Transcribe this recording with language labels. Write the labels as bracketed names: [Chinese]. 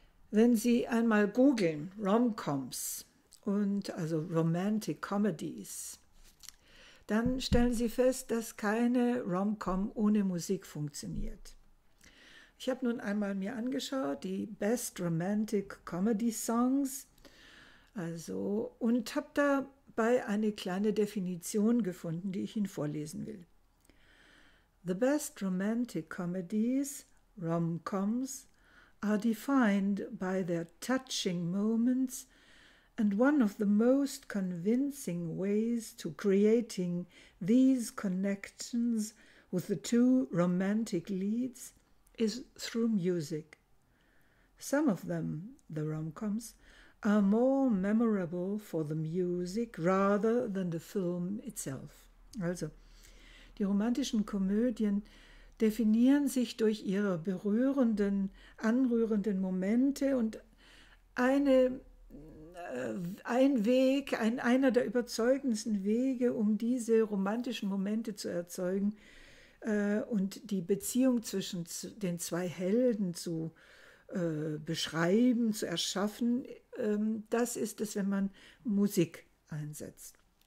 [German] Wenn Sie einmal googeln, Rom-Coms, und also Romantic Comedies, dann stellen Sie fest, dass keine Rom-Com ohne Musik funktioniert. Ich habe nun einmal mir angeschaut, die Best Romantic Comedy Songs, also, und habe dabei eine kleine Definition gefunden, die ich Ihnen vorlesen will. [English] The best romantic comedies, rom-coms, are defined by their touching moments, and one of the most convincing ways to creating these connections with the two romantic leads is through music. Some of them, the rom-coms, are more memorable for the music rather than the film itself. [German] Also, die romantischen Komödien definieren sich durch ihre berührenden, anrührenden Momente, und einer der überzeugendsten Wege, um diese romantischen Momente zu erzeugen und die Beziehung zwischen den zwei Helden zu beschreiben, zu erschaffen, das ist es, wenn man Musik einsetzt.